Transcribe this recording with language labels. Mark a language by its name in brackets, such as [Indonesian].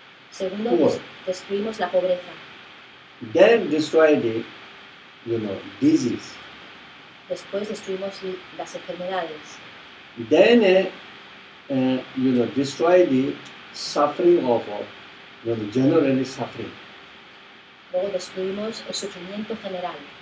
[Spanish] Segundo, destruimos la pobreza. [English] Then destroy the, disease. [Spanish] Después destruimos las enfermedades. Then, destroy the suffering of, generally suffering. Luego destruimos el sufrimiento general.